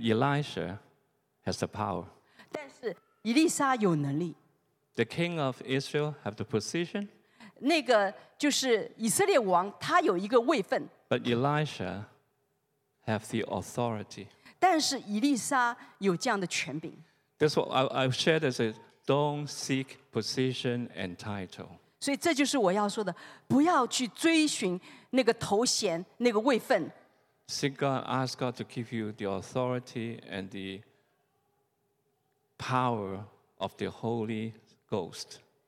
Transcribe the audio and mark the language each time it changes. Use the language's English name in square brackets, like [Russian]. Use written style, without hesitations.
[English] Elisha has the power. [Chinese] 但是以利沙有能力。 [English] The king of Israel have the position. [Chinese] 那个就是以色列王，他有一个位分。 [English] But Elisha have the authority. [Chinese] 但是以利沙有这样的权柄。 [English] That's what I've shared as a don't seek position and title. [Chinese] 所以这就是我要说的，不要去追寻那个头衔、那个位分。 [English] Seek God, ask God to give you the authority and the power of the Holy Ghost.